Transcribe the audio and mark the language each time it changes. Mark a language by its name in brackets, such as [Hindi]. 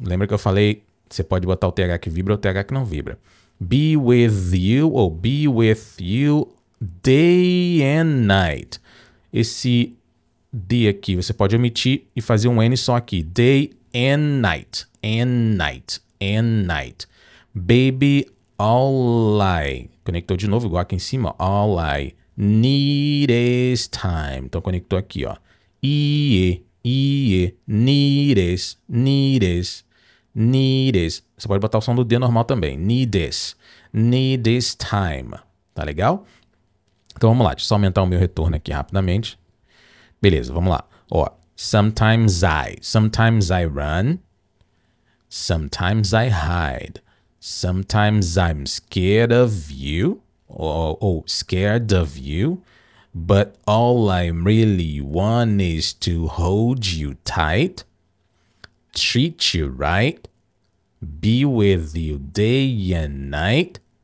[Portuguese] Lembra que eu falei, você pode botar o TH que vibra ou o TH que não vibra. [English] Be with you ou be with you day and night. [Portuguese] Esse D aqui, você pode omitir e fazer um N só aqui. [English] Day and night. And night. And night. Baby, all I. [Portuguese] Conectou de novo, igual aqui em cima. [English] All I need is time. [Portuguese] Então, conectou aqui, ó. E... [English] E, needs, needs, needs. [Portuguese] Você pode botar o som do D normal também. [English] Needs, needs time. [Portuguese] Tá legal? Então vamos lá, deixa eu só aumentar o meu retorno aqui rapidamente. Beleza, vamos lá. [English] Ó, sometimes I run, sometimes I hide, sometimes I'm scared of you, or scared of you. But all I really want is to hold you tight, treat you right, be with you day and night.